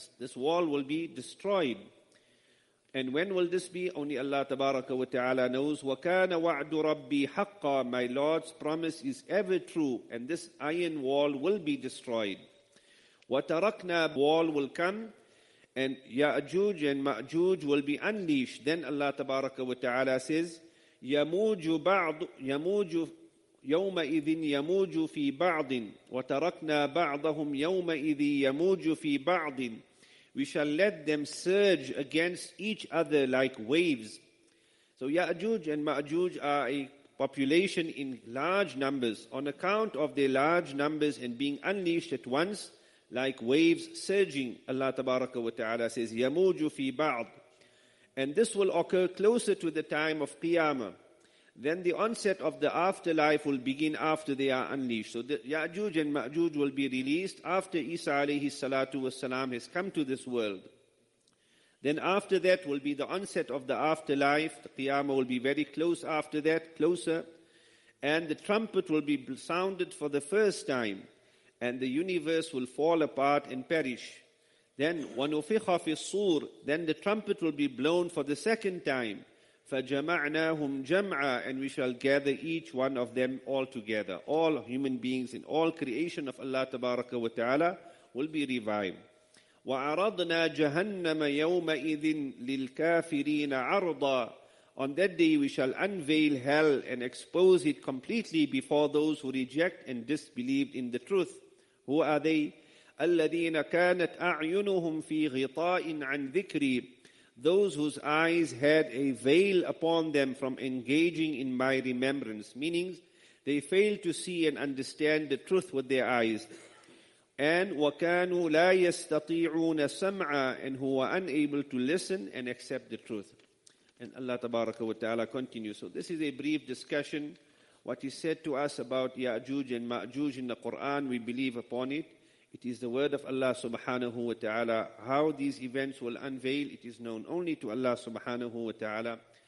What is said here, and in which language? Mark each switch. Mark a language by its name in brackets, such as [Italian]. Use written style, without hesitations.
[English] This wall will be destroyed. And when will this be? Only Allah Tabaraka wa Ta'ala knows. [Arabic] وَكَانَ وَعْدُ رَبِّي حَقًّا. [English] My Lord's promise is ever true, and this iron wall will be destroyed. [Arabic] وَتَرَكْنَا, [English] wall will come, and Ya'juj and Ma'juj will be unleashed. Then Allah Tabaraka wa Ta'ala says, [Arabic] يَمُوجُ بَعْضُ يَمُوجُ يَوْمَئِذٍ يَمُوجُ فِي بَعْضٍ وَتَرَكْنَا بَعْضَهُمْ يَوْمَئِذٍ يَمُوجُ فِي بَعْضٍ. [English] We shall let them surge against each other like waves. So Ya'juj and Ma'juj are a population in large numbers. On account of their large numbers and being unleashed at once, like waves surging, Allah Tabaraka wa Ta'ala says, [Arabic] يَمُوجُ فِي بَعْضٍ. [English] And this will occur closer to the time of Qiyamah. Then the onset of the afterlife will begin after they are unleashed. So the Ya'juj and Ma'juj will be released after Isa alayhi salatu wasalam has come to this world. Then after that will be the onset of the afterlife. The Qiyamah will be very close after that, closer. And the trumpet will be sounded for the first time, and the universe will fall apart and perish. Then [Arabic] وَنُفِخَ فِي الصُّور. [English] Then the trumpet will be blown for the second time. [Arabic] فَجَمَعْنَاهُمْ جَمْعًا. [English] And we shall gather each one of them all together. All human beings in all creation of Allah Tabaraka wa Ta'ala will be revived. [Arabic] وَعَرَضْنَا جَهَنَّمَ يَوْمَئِذٍ لِلْكَافِرِينَ عَرْضًا. [English] On that day we shall unveil hell and expose it completely before those who reject and disbelieved in the truth. Who are they? [Arabic] الَّذِينَ كَانَتْ أَعْيُنُهُمْ فِي غِطَاءٍ عَنْ ذِكْرِي. [English] Those whose eyes had a veil upon them from engaging in my remembrance, meaning they failed to see and understand the truth with their eyes. And [Arabic] وَكَانُوا لَا يَسْتَطِيعُونَ سَمْعًا. [English] And who were unable to listen and accept the truth. And Allah Tabaraka wa Ta'ala continues. So this is a brief discussion. What is said to us about Ya'juj and Ma'juj in the Quran, we believe upon it. It is the word of Allah subhanahu wa ta'ala. How these events will unveil, it is known only to Allah subhanahu wa ta'ala.